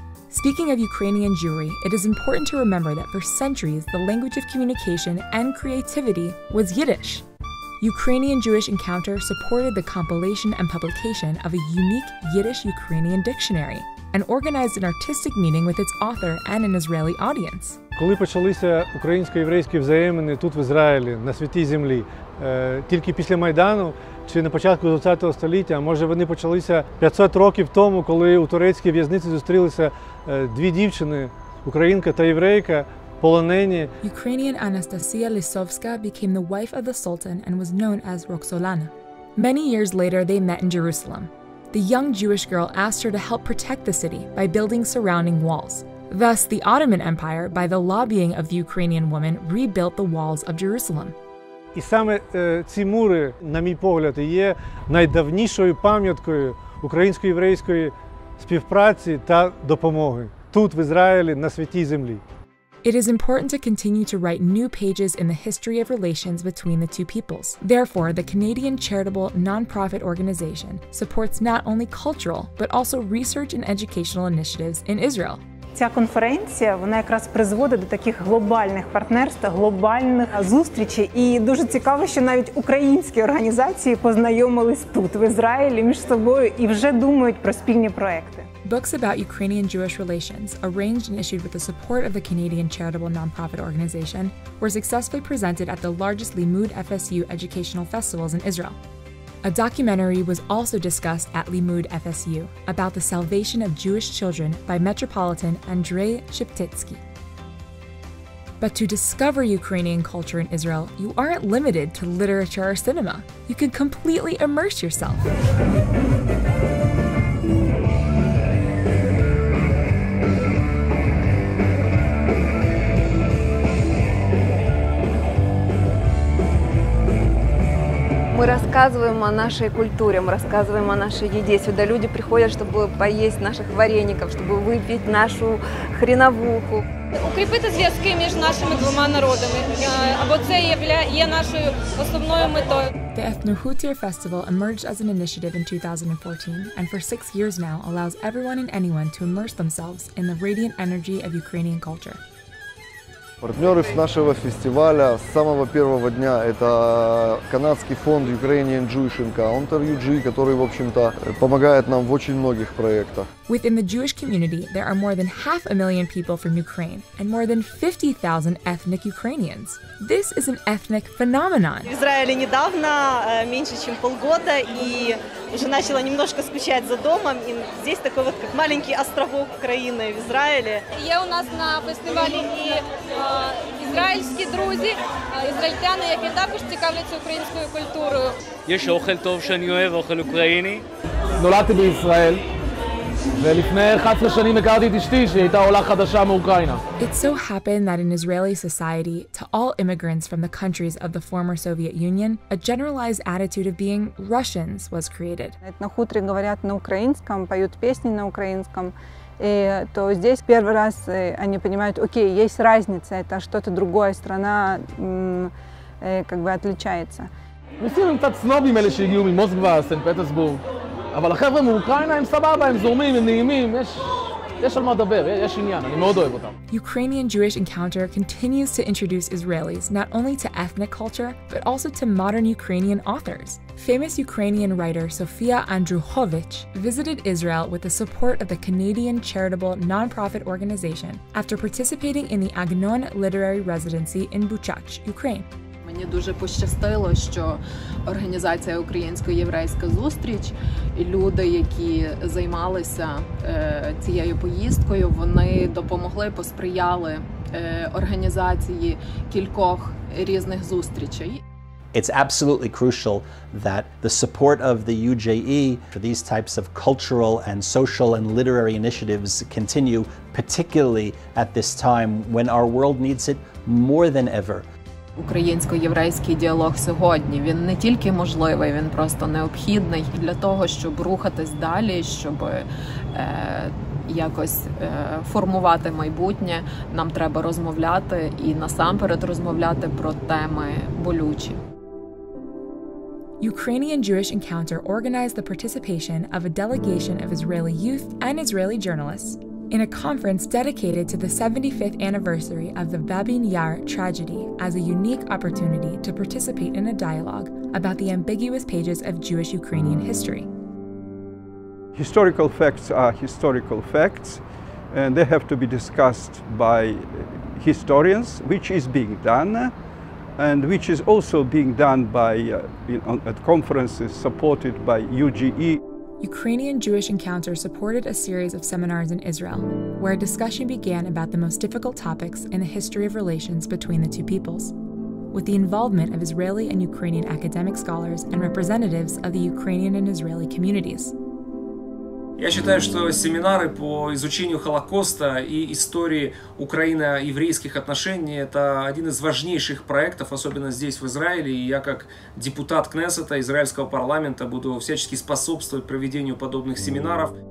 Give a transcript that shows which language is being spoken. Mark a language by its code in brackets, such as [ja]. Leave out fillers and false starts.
[en] Speaking of Ukrainian Jewry, it is important to remember that for centuries, the language of communication and creativity was Yiddish. Ukrainian Jewish Encounter supported the compilation and publication of a unique Yiddish-Ukrainian dictionary and organized an artistic meeting with its author and an Israeli audience. [uk] Коли почалися українсько-єврейські взаємини тут в Ізраїлі, на святій землі, тільки після Майдану чи на початку 20-го століття, може вони почалися 500 років тому, коли у турецькій в'язниці зустрілися дві дівчини, українка та єврейка, полонені. [en] Ukrainian Anastasia Lisovska became the wife of the Sultan and was known as Roxolana. Many years later, they met in Jerusalem. The young Jewish girl asked her to help protect the city by building surrounding walls. Thus, the Ottoman Empire, by the lobbying of the Ukrainian woman, rebuilt the walls of Jerusalem. [uk] І саме ці мури, на мій погляд, є найдавнішою пам'яткою українсько-єврейської співпраці та допомоги тут, в Ізраїлі, на святій землі. [en] It is important to continue to write new pages in the history of relations between the two peoples. Therefore, the Canadian charitable non-profit organization supports not only cultural, but also research and educational initiatives in Israel. [uk] Ця конференція, вона якраз призводить до таких глобальних партнерств, глобальних зустрічей. І дуже цікаво, що навіть українські організації познайомились тут, в Ізраїлі, між собою, і вже думають про спільні проекти. [en] Books about Ukrainian-Jewish relations, arranged and issued with the support of the Canadian charitable non-profit organization, were successfully presented at the largest Limud FSU educational festivals in Israel. A documentary was also discussed at Limud FSU about the salvation of Jewish children by Metropolitan Andrei Shiptitsky. But to discover Ukrainian culture in Israel, you aren't limited to literature or cinema. You can completely immerse yourself. [uk] Ми розказуємо нашій культурі, ми розказуємо нашій їді. Сюди люди приходять, щоб поїсти наших вареників, щоб випити нашу хріновуху. Укріпити зв'язки між нашими двома народами, або це є нашою основною метою. [en] The Ethnohutir Festival emerged as an initiative in 2014 and for 6 years now allows everyone and anyone to immerse themselves in the radiant energy of Ukrainian culture. [ru] Партнеры нашего фестиваля с самого первого дня – это канадский фонд Ukrainian Jewish Encounter, UJE, который, в общем-то, помогает нам в очень многих проектах. [en] Within the Jewish community, there are more than 500,000 people from Ukraine and more than 50,000 ethnic Ukrainians. This is an ethnic phenomenon. [ru] В Израиле недавно, меньше чем полгода, и уже начала немножко скучать за домом. И здесь такой вот как маленький островок Украины в Израиле. [uk] Я у нас на фестивале и израильські друзі, ізраїльтяни, які також цікавляться українською культурою. Є ще [he] אוכל טוב שאני אוהב, אוכל אוקראיני. נולדתי בישראל. ולפני 11 שנים הכרתי את אשתי שהייתה עולה חדשה מאוקראינה. [en] It so happened that in Israeli society, to all immigrants from the countries of the former Soviet Union, a generalized attitude of being Russians was created. [uk] На хуторі говорять на українському, поють пісні на українському. І то здесь перший раз вони розуміють, окей, є різниця, це щось інше, країна якби відрізняється. Ми всі там снобами, які приїхали з Москви, Санкт-Петербург. Але хлопці з України, вони добре, вони зумні, вони приємні, є [he] יש על מה לדבר, יש עניין, אני מאוד אוהב אותם. [en] Ukrainian Jewish Encounter continues to introduce Israelis not only to ethnic culture, but also to modern Ukrainian authors. Famous Ukrainian writer Sofia Andruhovich visited Israel with the support of the Canadian charitable nonprofit organization after participating in the Agnon Literary Residency in Buchach, Ukraine. [uk] Мені дуже пощастило, що організація «Українсько-єврейська зустріч» і люди, які займалися цією поїздкою, вони допомогли, посприяли організації кількох різних зустрічей. [en] It's absolutely crucial that the support of the UJE for these types of cultural and social and literary initiatives continue, particularly at this time when our world needs it more than ever. [uk] Українсько-єврейський діалог сьогодні, він не тільки можливий, він просто необхідний для того, щоб рухатись далі, щоб якось формувати майбутнє. Нам треба розмовляти і насамперед розмовляти про теми болючі. [en] Ukrainian Jewish Encounter organized the participation of a delegation of Israeli youth and Israeli journalists in a conference dedicated to the 75th anniversary of the Babin Yar tragedy as a unique opportunity to participate in a dialogue about the ambiguous pages of Jewish-Ukrainian history. Historical facts are historical facts, and they have to be discussed by historians, which is being done, and which is also being done by at conferences supported by UJE. Ukrainian Jewish Encounter supported a series of seminars in Israel, where a discussion began about the most difficult topics in the history of relations between the two peoples. With the involvement of Israeli and Ukrainian academic scholars and representatives of the Ukrainian and Israeli communities. [uk] Я вважаю, що семінари по ізученню Холокосту і історії україно-єврейських відносин – це один із важніших проєктів, особливо тут, в Ізраїлі. І я, як депутат Кнесета, ізраїльського парламенту, буду всячески спосібствувати проведенню подобних семінарів.